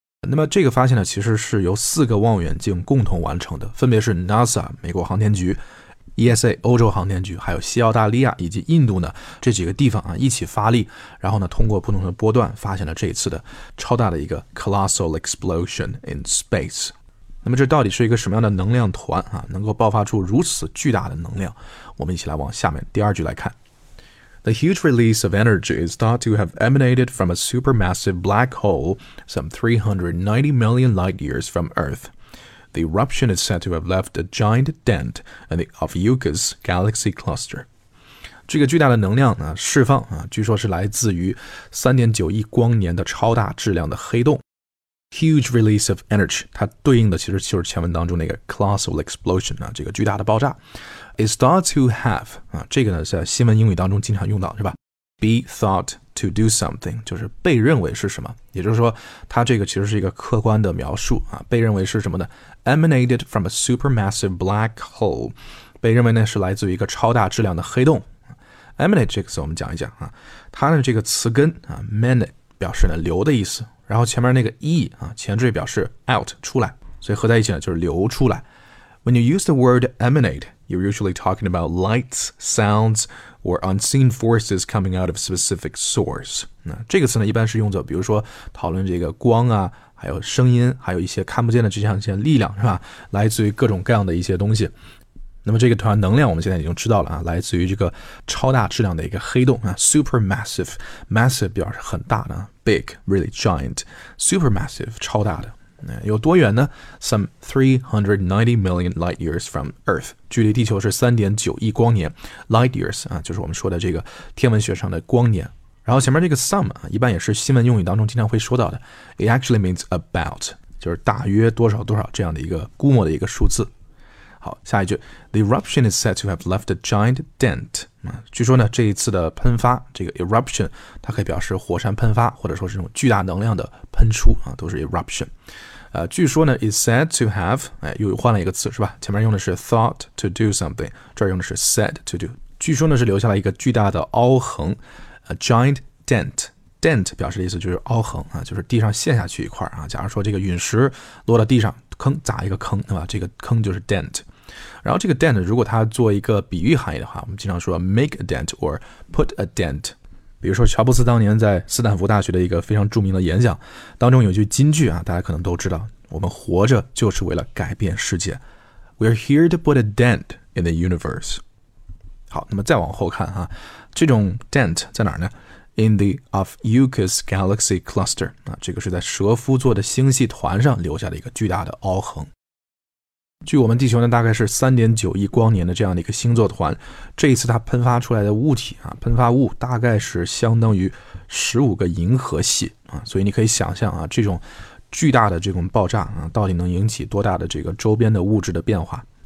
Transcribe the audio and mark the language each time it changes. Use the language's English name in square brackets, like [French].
[Chinese] 那么这个发现呢，其实是由四个望远镜共同完成的，分别是 NASA 美国航天局、ESA 欧洲航天局，还有西澳大利亚以及印度呢这几个地方啊一起发力，然后呢通过不同的波段发现了这一次的超大的一个 [English] colossal explosion in space。 [Chinese] 那么这到底是一个什么样的能量团啊，能够爆发出如此巨大的能量？我们一起来往下面第二句来看。 [English] The huge release of energy is thought to have emanated from a supermassive black hole some 390 million light years from Earth. The eruption is said to have left a giant dent in the Ophiuchus galaxy cluster. [Chinese] 这个巨大的能量呢释放啊，据说是来自于 3.9 亿光年的超大质量的黑洞。 [English] Huge release of energy， [Chinese] 它对应的其实就是前文当中那个 [English] colossal explosion [Chinese] 啊，这个巨大的爆炸。 [English] Is thought to have 啊， [Chinese] 这个呢在新闻英语当中经常用到，是吧 [English] ？Be thought to do something， [Chinese] 就是被认为是什么，也就是说它这个其实是一个客观的描述啊，被认为是什么呢 [English] ？Emanated from a supermassive black hole， [Chinese] 被认为呢是来自于一个超大质量的黑洞。Emanate 这个词我们讲一讲啊，它的这个词根啊 ，manate 表示呢流的意思。然后前面那个 e 啊，前缀表示 out 出来，所以合在一起呢就是流出来。 [English] When you use the word emanate, you're usually talking about lights, sounds, or unseen forces coming out of a specific source. [Chinese] 那这个词呢一般是用作，比如说讨论这个光啊，还有声音，还有一些看不见的这些力量，是吧？来自于各种各样的一些东西。那么这个团能量我们现在已经知道了啊，来自于这个超大质量的一个黑洞啊 ，supermassive， massive 表示很大的 ， [English] big really giant， [Chinese] supermassive 超大的，有多远呢 ？ [English] Some 390 million light years from Earth， [Chinese] 距离地球是 3.9 亿光年 ，light years 啊，就是我们说的这个天文学上的光年。然后前面这个 some 啊，一般也是新闻用语当中经常会说到的 ， [English] it actually means about， [Chinese] 就是大约多少多少这样的一个估摸的一个数字。好，下一句 [English] ，The eruption is said to have left a giant dent。 [Chinese] 据说呢，这一次的喷发，这个 eruption， 它可以表示火山喷发，或者说是这种巨大能量的喷出啊，都是 eruption。据说呢 ， [English] is said to have， [Chinese] 哎，又换了一个词是吧？前面用的是 [English] thought to do something， [Chinese] 这儿用的是 [English] said to do。 [Chinese] 据说呢是留下了一个巨大的凹痕 ， [English] a giant dent。 [Chinese] Dent 表示的意思就是凹痕啊，就是地上陷下去一块啊。假如说这个陨石落到地上，坑砸一个坑，对吧？这个坑就是 dent。然后这个 dent 如果它做一个比喻含义的话，我们经常说 [English] make a dent or put a dent。 [Chinese] 比如说乔布斯当年在斯坦福大学的一个非常著名的演讲当中有句金句啊，大家可能都知道：我们活着就是为了改变世界。 [English] We are here to put a dent in the universe。 [Chinese] 好，那么再往后看啊，这种 dent 在哪儿呢？ [English] In the Ophiuchus Galaxy Cluster [Chinese] 啊，这个是在蛇夫座的星系团上留下的一个巨大的凹痕。距我们地球呢大概是 3.9 亿光年的这样的一个星座团，这一次它喷发出来的物体啊，喷发物大概是相当于15个银河系啊，所以你可以想象啊，这种巨大的这种爆炸啊，到底能引起多大的这个周边的物质的变化。